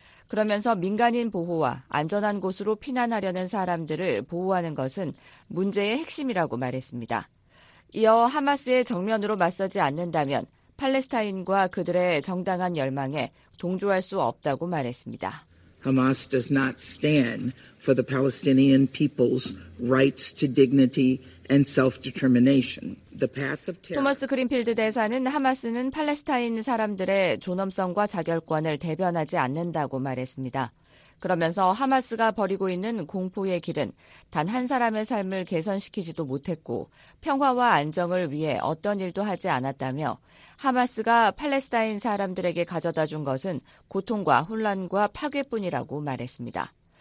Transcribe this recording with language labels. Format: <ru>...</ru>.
<ko>그러면서 민간인 보호와 안전한 곳으로 피난하려는 사람들을 보호하는 것은 문제의 핵심이라고 말했습니다. 이어 하마스의 정면으로 맞서지 않는다면 팔레스타인과 그들의 정당한 열망에 동조할 수 없다고 말했습니다.</ko> <en>Hamas does not stand for the Palestinian people's rights to dignity and self-determination. The path of terror.</en> <ko>토머스 그린필드 대사는 하마스는 팔레스타인 사람들의 존엄성과 자결권을 대변하지 않는다고 말했습니다. 그러면서 하마스가 벌이고 있는 공포의 길은 단 한 사람의 삶을 개선시키지도 못했고 평화와 안정을 위해 어떤 일도 하지 않았다며 하마스가 팔레스타인 사람들에게 가져다 준 것은 고통과 혼란과 파괴뿐이라고 말했습니다.</ko>